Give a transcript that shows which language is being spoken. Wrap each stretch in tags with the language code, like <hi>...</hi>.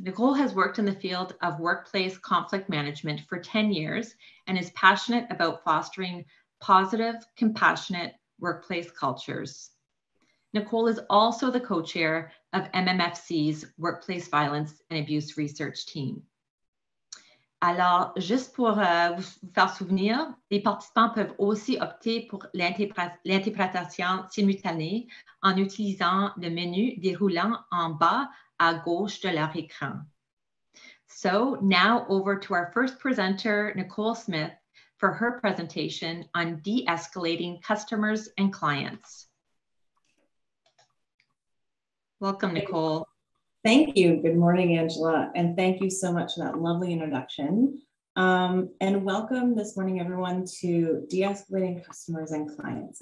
<en>Nicole has worked in the field of workplace conflict management for 10 years and is passionate about fostering positive, compassionate workplace cultures. Nicole is also the co-chair of MMFC's Workplace Violence and Abuse Research Team.</en> <fr>Alors, juste pour vous faire souvenir, les participants peuvent aussi opter pour l'interprétation simultanée en utilisant le menu déroulant en bas à gauche de leur écran.</fr> <en>So, now over to our first presenter, Nicole Smith, for her presentation on de-escalating customers and clients. Welcome, Nicole. Thank you. Good morning, Angela. And thank you so much for that lovely introduction. And welcome this morning, everyone, to De-escalating Customers and Clients.</en>